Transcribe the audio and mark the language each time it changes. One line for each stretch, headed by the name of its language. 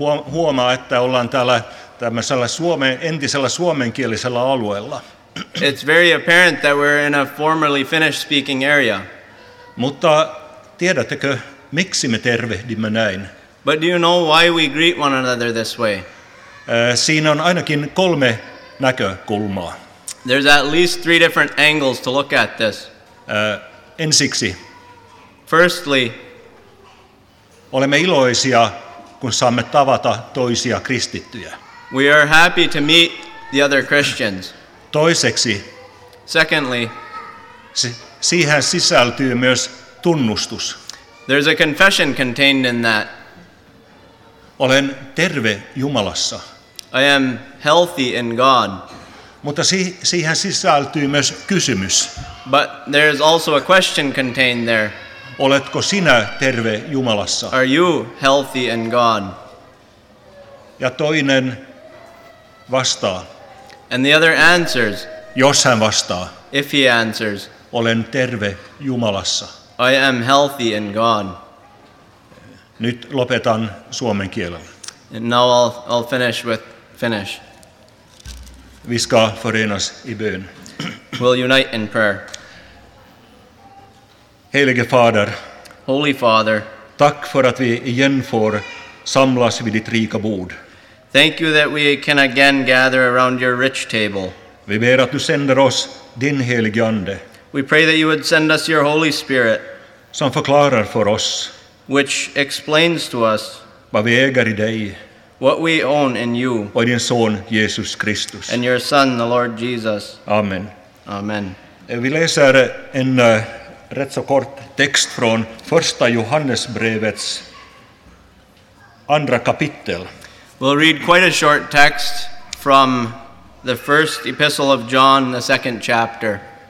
Finnish: Huomaa, että ollaan täällä tämmöisellä entisellä suomenkielisellä alueella.
English: It's very apparent that we're in a formerly Finnish-speaking area.
Finnish: Mutta tiedättekö, miksi me tervehdimme näin?
English: But do you know why we greet one another this way?
Finnish: Siinä on ainakin kolme näkökulmaa.
English: There's at least three different angles to look at this.
Finnish: Ensiksi.
English: Firstly.
Finnish: Olemme iloisia, kun saamme tavata toisia kristittyjä.
English: We are happy to meet the other Christians.
Finnish: Toiseksi.
English: Secondly.
Finnish: Siihen sisältyy myös tunnustus.
English: There's a confession contained in that.
Finnish: Olen terve Jumalassa.
English: I am healthy in God.
Finnish: Mutta siihen sisältyy myös kysymys.
English: But there is also a question contained there.
Finnish: Oletko sinä terve Jumalassa?
English: Are you healthy in God?
Finnish: Ja toinen vastaa.
English: And the other answers.
Finnish: Jos hän vastaa.
English: If he answers.
Finnish: Olen terve Jumalassa.
English: I am healthy in God.
Finnish: Nyt lopetan suomen kielellä.
English: And now I'll finish with Finnish.
Swedish: Vi ska förenas i bön.
English: We'll unite in prayer.
Swedish: Helige Fader.
English: Holy Father.
Swedish: Tack för att vi igen får samlas vid ditt rika bord.
English: Thank you that we can again gather around your rich table.
Swedish: Vi ber att du sänder oss din helige ande.
English: We pray that you would send us your Holy Spirit.
Swedish: Som förklarar för oss.
English: Which explains to us
Swedish: vad vi äger i dig,
English: what we own in you,
Swedish: och din son Jesus Kristus,
English: and your son, the Lord Jesus.
Swedish: Amen.
English: Amen.
Swedish: Vi läser en rätt så kort text från första Johannesbrevets andra kapitel.
English: We'll read quite a short text from the first epistle of John, the second chapter.